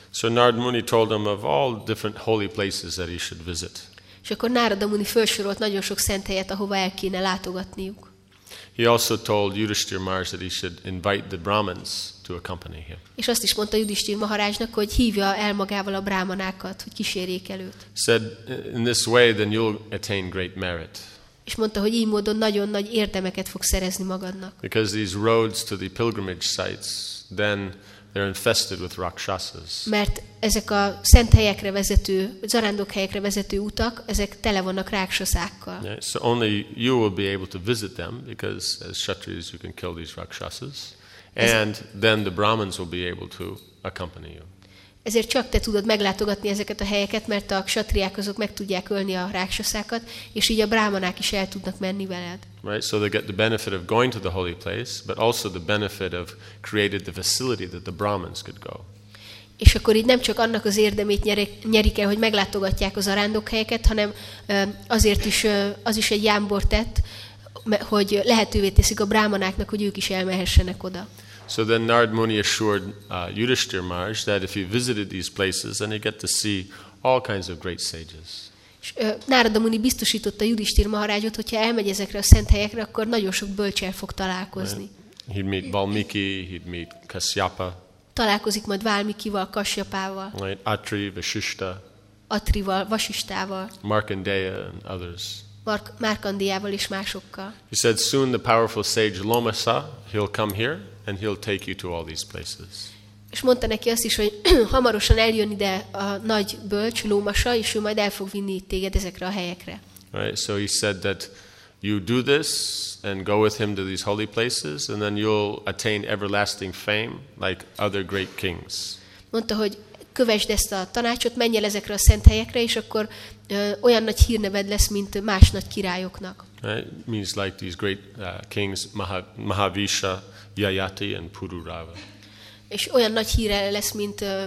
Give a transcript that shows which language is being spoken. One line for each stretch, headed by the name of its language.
English: So Narad Muni told him of all different holy places that he should visit.
Hungarian: És akkor Narada Muni felsorolt nagyon sok szent helyet, ahova el kéne látogatniuk.
English: He also told Yudhishthira Maharaj that he should invite the Brahmins to accompany him.
Hungarian: És azt is mondta Yudhishthira Maharajnak, hogy hívja el magával a brámanákat, hogy kísérjék el őt.
English: Said, in this way then you'll attain great merit.
Hungarian: És mondta, hogy így módon nagyon nagy érdemeket fog szerezni magadnak.
English: Because these roads to the pilgrimage sites, then they're infested with rakshasas.
Hungarian: Mert ezek a szent helyekre vezető, zarándokhelyekre vezető utak, ezek tele vannak rakshasákkal.
English: Yeah, so only you will be able to visit them, because as kshatriyas you can kill these rakshasas, and then the brahmins will be able to accompany you.
Hungarian: Ezért csak te tudod meglátogatni ezeket a helyeket, mert a ksatriák azok meg tudják ölni a rákszaszákat, és így a brámanák is el tudnak menni veled.
English: Right, so they get the benefit of going to the holy place, but also the benefit of created the facility that the brahmins could go.
Hungarian: És akkor így nem csak annak az érdemét nyerik el, hogy meglátogatják az arándokhelyeket, hanem azért is az is egy jámbor tett, hogy lehetővé teszik a brámanáknak, hogy ők is elmehessenek oda.
English: So then Narad Muni assured Yudhishthira Maharaj that if he visited these places, then he'd get to see all kinds of great sages.
Hungarian: Narada Muni biztosította Yudhishthira Maharajot, hogyha elmegy ezekre a szent helyekre, akkor nagyon sok bölcsel fog találkozni.
English: Right. He'd meet Valmiki, he'd meet Kasyapa.
Hungarian: Találkozik majd Valmikival, Kasyapával.
English: Right. Atri, Vasishta.
Hungarian: Atrival, Vasishtával.
English: Markandeya and others.
Hungarian: Márkandéjával és másokkal.
English: He said soon the powerful sage Lomasa, he'll come here and he'll take you to all these places.
Hungarian: És mondta neki azt is, hogy hamarosan eljön ide a nagy bölcs Lomasa, és ő majd el fog vinni téged ezekre a helyekre.
English: Right, so he said that you do this and go with him to these holy places and then you'll attain everlasting fame like other great kings.
Hungarian: Mondta, hogy kövesd ezt a tanácsot, menj el ezekre a szent helyekre, és akkor olyan nagy hírneved lesz, mint más nagy királyoknak.
English: Right? Means like these great kings, Mahavisha, Yayati and Pururava.
Hungarian: És olyan nagy híre lesz, mint